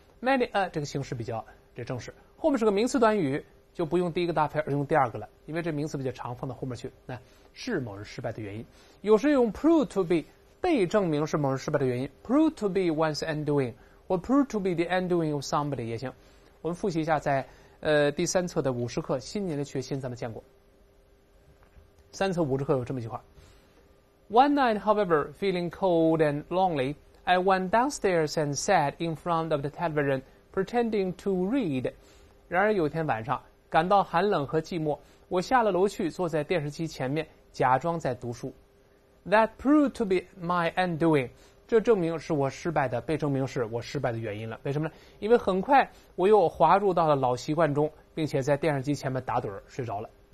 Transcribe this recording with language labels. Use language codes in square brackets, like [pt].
[zh] many 这个形式比较这正式，后面是个名词短语，就不用第一个搭配而用第二个了，因为这名词比较常放到后面去。那、是某人失败的原因，有时用 [en] prove to be [zh] 被证明是某人失败的原因 ， [en] prove to be one's undoing [zh] 或 [en] prove to be the undoing of somebody [zh] 也行。我们复习一下在第三册的五十课新年的学习，咱们见过。三册五十课有这么一句话 [en] ：One night, however, feeling cold and lonely, I went downstairs and sat in front of the television, pretending to read. [zh] 然而有一天晚上，感到寒冷和寂寞，我下了楼去，坐在电视机前面，假装在读书。 [en] That proved to be my undoing. [zh] 这证明是我失败的，被证明是我失败的原因了。为什么呢？因为很快我又滑入到了老习惯中，并且在电视机前面打盹睡着了。